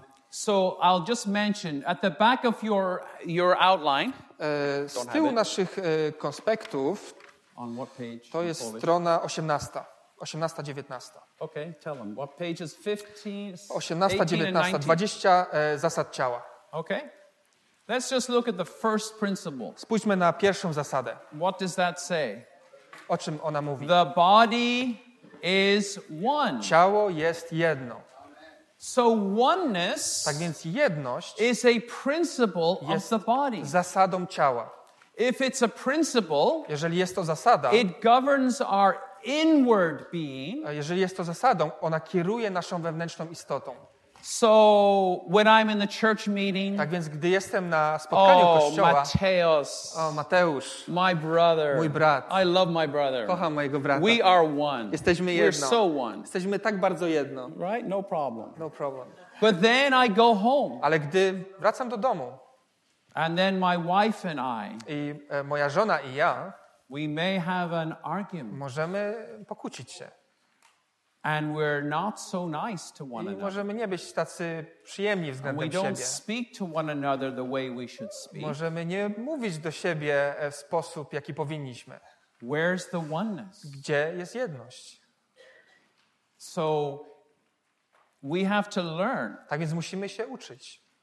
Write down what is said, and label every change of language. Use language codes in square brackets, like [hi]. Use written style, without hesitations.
[en] So I'll just mention at the back of your outline. [pl] Z tyłu naszych konspektów. [en] On what page? [pl] To jest strona 18. 18-19. [en] Okay, tell them. What page is 15? [pl] 18-19. 20 zasad ciała. [en] Okay. Let's just look at the first principle. [pl] Spójrzmy na pierwszą zasadę. [en] What does that say? [pl] O czym ona mówi? [en] The body is one. [pl] Ciało jest jedno. [en] So oneness, [pl] tak więc jedność, [en] is a principle [pl] jest [en] of the body. [pl] Zasadą ciała. [en] If it's a principle, [pl] jeżeli jest to zasada, [en] it governs our inward being. [pl] Jeżeli jest to zasadą, ona kieruje naszą wewnętrzną istotą. [en] So when I'm in the church meeting, [pl] tak więc gdy jestem na spotkaniu kościoła, [en] Mateusz, my brother, [pl] mój brat, [en] I love my brother, [pl] kocham mojego brata, [en] we are one, [pl] jesteśmy jedno, [en] we're so one, [pl] jesteśmy tak bardzo jedno, [en] right? No problem, no problem. But then I go home, [pl] ale gdy wracam do domu, [en] and then my wife and I, [pl] i moja żona i ja, [en] we may have an argument, [pl] możemy pokłócić się. [en] And we're not so nice to one another. [pl] I możemy nie być tacy przyjemni względem siebie. [en] We don't speak to one another the way we should speak. [pl] Możemy nie mówić do siebie w sposób, jaki powinniśmy. [en] Where's the oneness? [pl] Gdzie jest jedność? [en] So we have to learn. [pl] Tak więc musimy się uczyć.